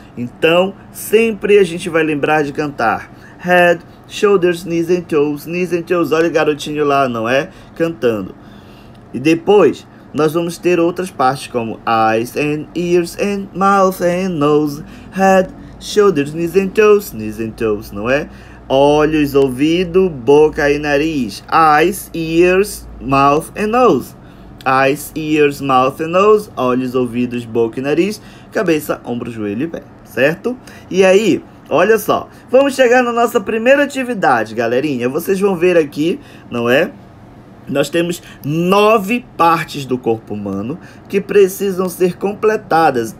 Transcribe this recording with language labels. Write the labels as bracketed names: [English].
[Portuguese] Então, sempre a gente vai lembrar de cantar [English] head, shoulders, knees and toes, [Portuguese] olha o garotinho lá, não é? Cantando. E depois, nós vamos ter outras partes como [English] eyes and ears and mouth and nose, head, shoulders, knees and toes, [Portuguese] não é? Olhos, ouvido, boca e nariz. [English] Eyes, ears, mouth and nose. Eyes, ears, mouth and nose. [Portuguese] Olhos, ouvidos, boca e nariz. Cabeça, ombro, joelho e pé, certo? E aí, olha só. Vamos chegar na nossa primeira atividade, galerinha. Vocês vão ver aqui, não é? Nós temos 9 partes do corpo humano que precisam ser completadas.